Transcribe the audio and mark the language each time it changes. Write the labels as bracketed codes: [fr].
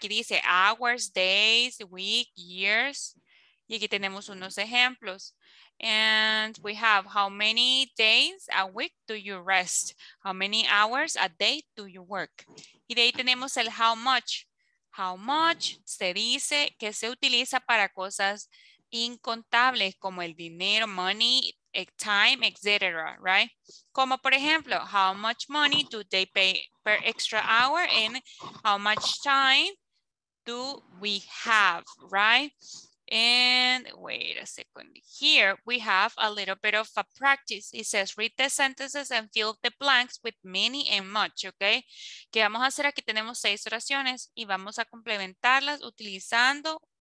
[es] Aquí dice hours, days, week, years, y aquí tenemos unos ejemplos. [en] And we have how many days a week do you rest, how many hours a day do you work, [es] y de ahí tenemos el [en] how much. [es] How much se dice que se utiliza para cosas incontables como el dinero, money, time, etc., right? Como por ejemplo, [en] how much money do they pay per extra hour and how much time do we have, right? And wait a second. Here we have a little bit of a practice. It says, read the sentences and fill the blanks with many and much, okay? [es] ¿Qué vamos a hacer? Aquí tenemos 6 oraciones y vamos a complementarlas utilizando...